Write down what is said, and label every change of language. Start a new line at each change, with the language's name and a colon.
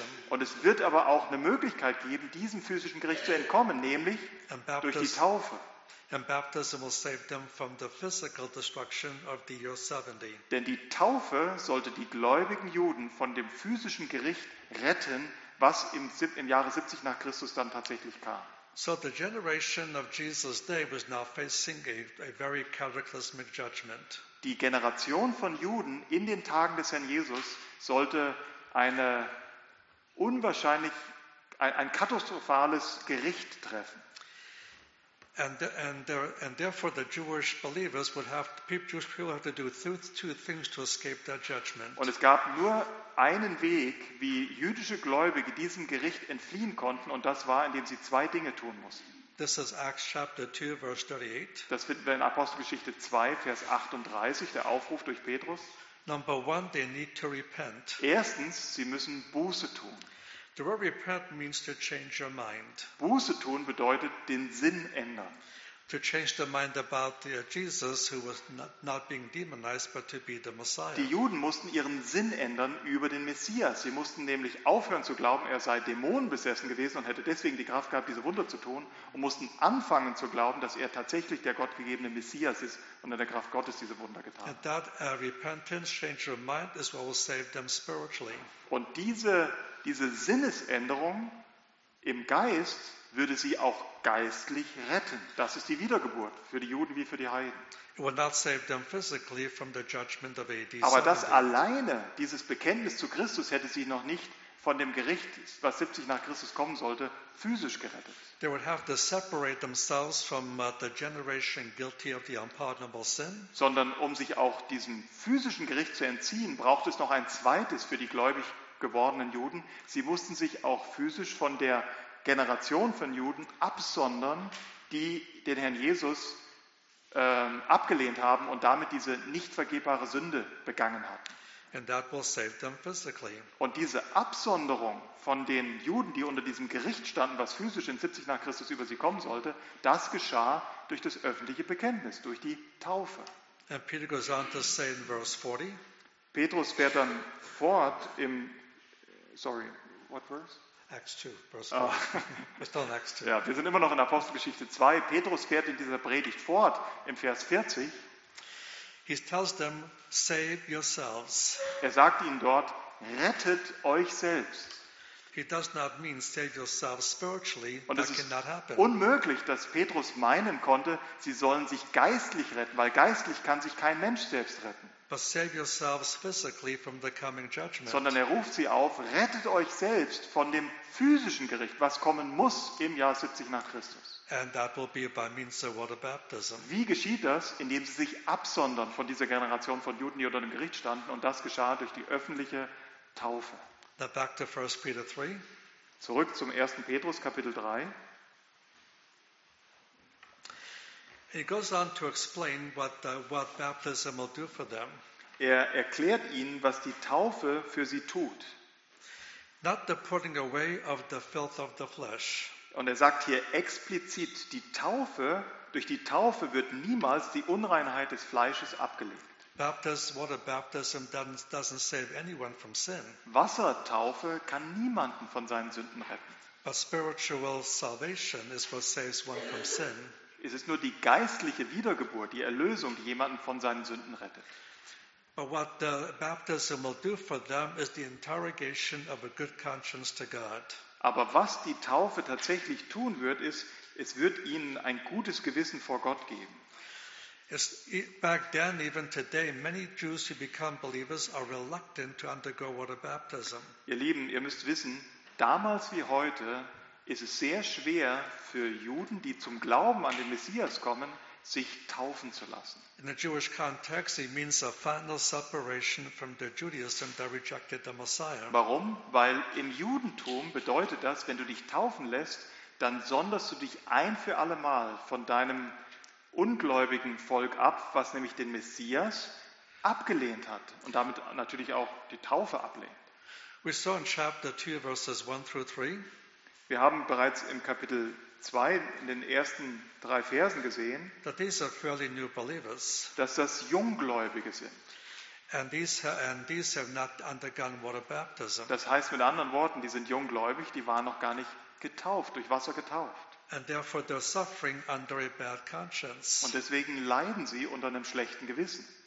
German: Und es wird aber auch eine Möglichkeit geben, diesem physischen Gericht zu entkommen, nämlich durch die Taufe.
English: And baptism will save them from the physical destruction of the year 70.
German: Denn die Taufe sollte die gläubigen Juden von dem physischen Gericht retten, was im Jahre 70 nach Christus dann tatsächlich kam.
English: So the generation of Jesus' day was now facing a very cataclysmic judgment.
German: Die Generation von Juden in den Tagen des Herrn Jesus sollte ein katastrophales Gericht treffen.
English: And therefore, the Jewish believers would have Jewish people have to do two things to escape that judgment.
German: Und es gab nur einen Weg, wie jüdische Gläubige diesem Gericht entfliehen konnten, und das war, indem sie zwei Dinge tun mussten.
English: This is Acts chapter 2, verse 38.
German: Das finden wir in Apostelgeschichte 2, Vers 38, der Aufruf durch Petrus.
English: Number one, they need to repent.
German: Erstens, sie müssen Buße tun.
English: The word repent means to change your mind.
German: Buße tun bedeutet den Sinn ändern.
English: To change the mind about Jesus, who was not being demonized, but to be the Messiah.
German: Die Juden mussten ihren Sinn ändern über den Messias. Sie mussten nämlich aufhören zu glauben, er sei dämonenbesessen gewesen und hätte deswegen die Kraft gehabt, diese Wunder zu tun, und mussten anfangen zu glauben, dass er tatsächlich der gottgegebene Messias ist und in der Kraft Gottes diese Wunder getan hat.
English: And that repentance, change your mind, is what will save them spiritually.
German: Und diese Sinnesänderung im Geist würde sie auch geistlich retten. Das ist die Wiedergeburt für die Juden wie für die Heiden.
English: It will not save them physically from the judgment of AD 70.
German: Aber das alleine, dieses Bekenntnis zu Christus, hätte sie noch nicht von dem Gericht, was 70 nach Christus kommen sollte, physisch gerettet.
English: They would have to separate themselves from the generation guilty of the unpardonable sin.
German: Sondern um sich auch diesem physischen Gericht zu entziehen, braucht es noch ein zweites für die gläubig gewordenen Juden. Sie mussten sich auch physisch von der Generation von Juden absondern, die den Herrn Jesus abgelehnt haben und damit diese nicht vergebbare Sünde begangen hatten.
English: And that will save them physically.
German: Und diese Absonderung von den Juden, die unter diesem Gericht standen, was physisch in 70 nach Christus über sie kommen sollte, das geschah durch das öffentliche Bekenntnis, durch die Taufe.
English: And Peter goes on to say in verse 40.
German: Petrus fährt dann fort im
English: what verse? Acts 2, verse 4. We're still in Acts 2.
German: Ja, wir sind immer noch in Apostelgeschichte 2. Petrus fährt in dieser Predigt fort im Vers 40.
English: He tells them, save yourselves.
German: Er sagt ihnen dort, rettet euch selbst.
English: He does not mean save yourselves spiritually.
German: Und
English: that cannot happen.
German: Unmöglich, dass Petrus meinen konnte, sie sollen sich geistlich retten, weil geistlich kann sich kein Mensch selbst retten.
English: But save yourselves physically from the coming judgment.
German: Sondern er ruft sie auf, rettet euch selbst von dem physischen Gericht, was kommen muss im Jahr 70 nach Christus.
English: And that will be by means of water baptism.
German: Wie geschieht das? Indem sie sich absondern von dieser Generation von Juden, die unter dem Gericht standen, und das geschah durch die öffentliche Taufe.
English: Now back to 1 Peter 3.
German: Zurück zum 1. Petrus, Kapitel 3.
English: He goes on to explain what baptism will do for them.
German: Er erklärt ihnen, was die Taufe für sie tut.
English: Not the putting away of the filth of the flesh.
German: Und er sagt hier explizit, die Taufe, durch die Taufe wird niemals die Unreinheit des Fleisches abgelegt.
English: Water baptism doesn't save anyone from sin.
German: Wassertaufe kann niemanden von seinen Sünden retten.
English: But spiritual salvation is what saves one from sin.
German: Es ist nur die geistliche Wiedergeburt, die Erlösung, die jemanden von seinen Sünden rettet.
English: But what the baptism will do for them is the interrogation of a good conscience to God.
German: Aber was die Taufe tatsächlich tun wird, ist, es wird ihnen ein gutes Gewissen vor Gott geben.
English: Back then, even today, many Jews who become believers are reluctant to undergo water baptism.
German: Ihr Lieben, ihr müsst wissen, damals wie heute ist es sehr schwer für Juden, die zum Glauben an den Messias kommen, sich taufen zu lassen.
English: In the Jewish context, it means a final separation from the Judaism that rejected the Messiah.
German: Warum? Weil im Judentum bedeutet das, wenn du dich taufen lässt, dann sonderst du dich ein für alle Mal von deinem ungläubigen Volk ab, was nämlich den Messias abgelehnt hat und damit natürlich auch die Taufe ablehnt.
English: We saw in chapter 2, verses 1 through 3.
German: Wir haben bereits im Kapitel 2 in den ersten drei Versen gesehen,
English: that these are fairly new believers.
German: Dass das Junggläubige sind.
English: And these have not undergone water baptism.
German: Das heißt mit anderen Worten, die sind junggläubig, die waren noch gar nicht getauft, durch Wasser getauft.
English: And therefore they're suffering under a bad conscience.
German: Und deswegen leiden sie unter einem schlechten Gewissen.